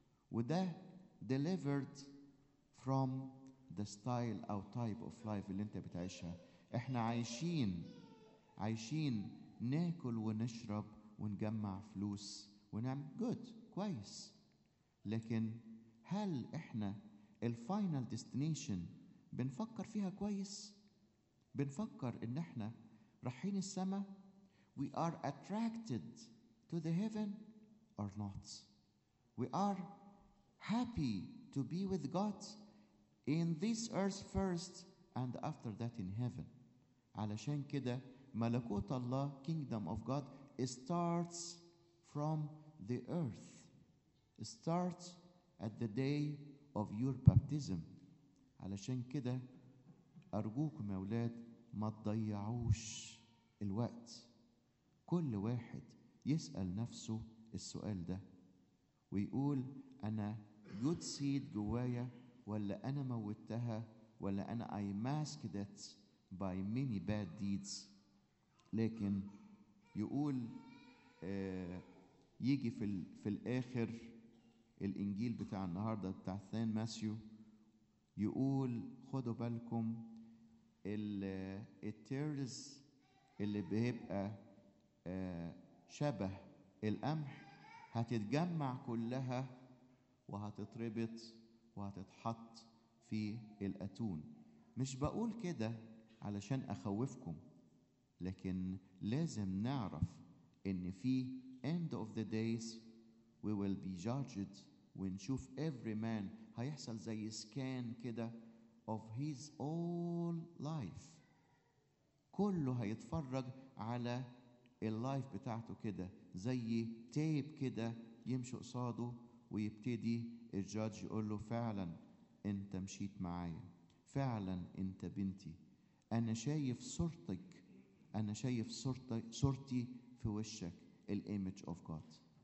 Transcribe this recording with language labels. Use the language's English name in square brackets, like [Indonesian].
[Arabic] وده [English] delivered from the style [Arabic] أو [English] type of life [Arabic] اللي انت بتعيشها. احنا عايشين ناكل ونشرب ونجمع فلوس ونعمل [English] good [Arabic] كويس، لكن هل احنا الفاينل ديستنيشن بنفكر فيها كويس؟ بنفكر ان احنا رايحين السماء؟ [English] We are attracted to the heaven or not? We are happy to be with God in this earth first and after that in heaven. [Arabic] علشان كده ملكوت الله, [English] kingdom of God, starts from the earth. It starts at the day of your baptism. [Arabic] علشان كده أرجوكم يا أولاد ما تضيعوش الوقت. كل واحد يسأل نفسه السؤال ده ويقول أنا [English] good seed [Arabic] جوايا ولا أنا موتها ولا أنا [English] I masked it by many bad deeds. [Arabic] لكن يقول يجي في الآخر الإنجيل بتاع النهاردة بتاع ثان ماسيو يقول خدوا بالكم التيرز اللي بيبقى شبه القمح هتتجمع كلها وهتتربط وهتتحط في الأتون. مش بقول كده علشان أخوفكم، لكن لازم نعرف إن في [English] end of the days we will be judged [Arabic] ونشوف [English] every man [Arabic] هيحصل زي [English] scan [Arabic] كده [English] of his all life. [Arabic] كله هيتفرج على اللايف بتاعته كده زي تيب كده يمشي قصاده ويبتدي الجادج يقول له فعلا انت مشيت معايا، فعلا انت بنتي، انا شايف صورتك، انا شايف صورتي في وشك، [English] الايمج of God.